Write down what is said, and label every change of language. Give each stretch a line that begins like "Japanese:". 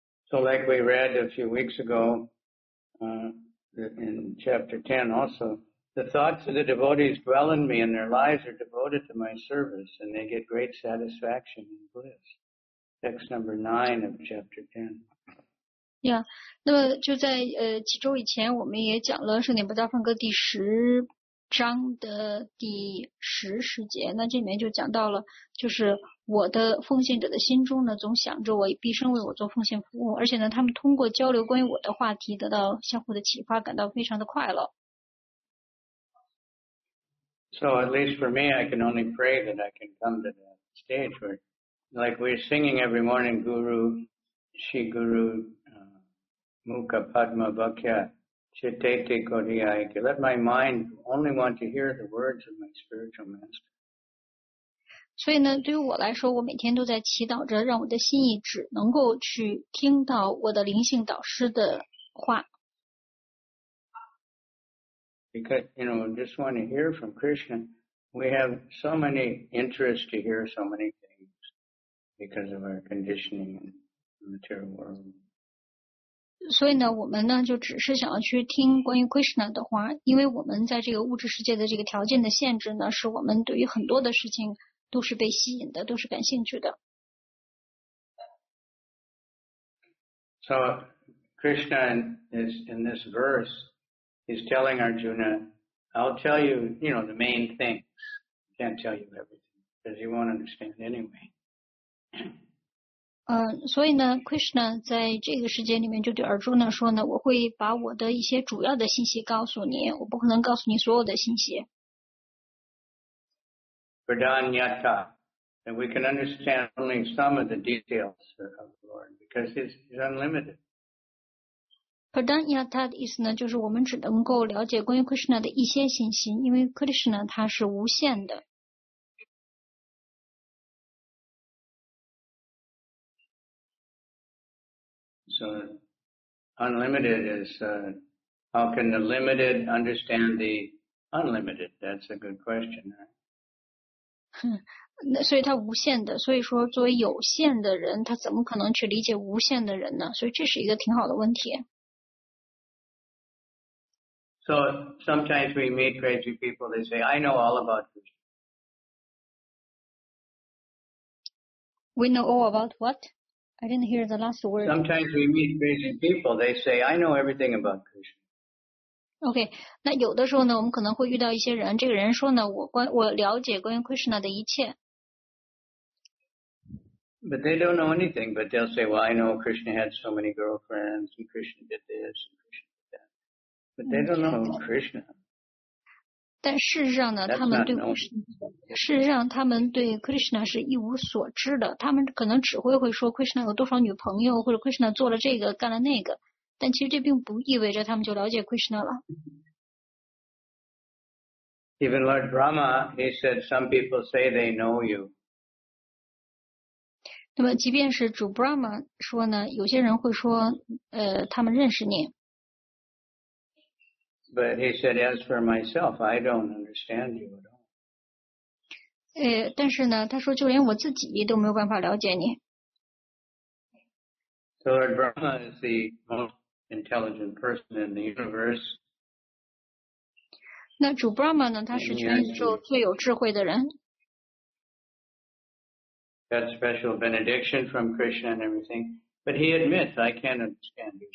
English: So like we read a few weeks ago, in chapter 10 also, the thoughts of the devotees dwell in me and their lives are devoted to my service and they get great satisfaction and bliss. Text number 9 of chapter 10.
Chinese: Yeah, 那么就在几周以前我们也讲了圣典薄伽梵歌第十章的第十十节，那这里面就讲到了，就是我的奉献者的心中呢，总想着我毕生为我做奉献服务，而且呢，他们通过交流关于我的话题，得到相互的启发，感到非常的快乐。
English: So at least for me, I can only pray that I can come to that stage where, like we're singing every morning,
Sanskrit: Guru, Shri Guru, Mukha Padma Bhakya.
English: Let my mind only want to hear the words of my spiritual master.
Chinese: 所以呢，对于我来说，我每天都在祈祷着，让我的心意只能够去听到我的灵性导师的话。
English: Because, you know, just want to hear from Krishna. We have so many interests to hear so many things because of our conditioning in the material world.
Chinese: 所以呢我们呢就只是想要去听关于 Krishna 的话，因为我们在这个物质世界的这个条件的限制呢，是我们对于很多的事情都是被吸引的，都是感兴趣的。
English: So Krishna is in this verse, he's telling Arjuna I'll tell you, you know, the main things. I can't tell you everything because you won't understand anyway.
Chinese: 所以呢 ，Krishna 在这个时间里面就对 Arjuna 说呢，我会把我的一些主要的信息告诉你，我不可能告诉你所有的信息。
English: Pradhanyata, and we can understand only some of the details of the Lord because it's unlimited.
Chinese: Pradhanyata 的意思呢，就是我们只能够了解关于 Krishna 的一些信息，因为 Krishna 它是无限的。
English: So unlimited is, how can the limited understand the unlimited? That's a good question, right?
Chinese: 所以它无限的，所以说作为有限的人，他怎么可能去理解无限的人呢？所以这是一个挺好的问题。
English: So sometimes we meet crazy people, they say, I know all about Krishna. We know all about what? I didn't hear the last word. Sometimes we meet crazy people. They say, I know everything about Krishna. Okay.
Chinese: 那有的时候呢我们可能会遇到一些人这个人说呢我了解关于 Krishna 的一切。
English: But they don't know anything, but they'll say, well, I know Krishna had so many girlfriends, and Krishna did this, and Krishna did that. But they don't know Krishna.
Chinese: 但事实上呢他们对 Krishna。事实上他们对 Krishna 是一无所知的，他们可能只会会说 Krishna 有多少女朋友，或者 Krishna 做了这个干了那个，但其实这并不意味着他们就了解 Krishna 了。
English: Even Lord Brahma, he said some people say they know you.
Chinese: 那么即便是主 Brahma 说呢，有些人会说他们认识你。
English: But he said as for myself, I don't understand you at all.
Chinese: 但是呢他说就连我自己都没有办法了解你。
English: So Lord Brahma is the most intelligent person in the universe.
Chinese: 那主 Brahma 呢他是全宇宙最有智慧的人。
English: Got special benediction from Krishna and everything. But he admits, I can't understand you.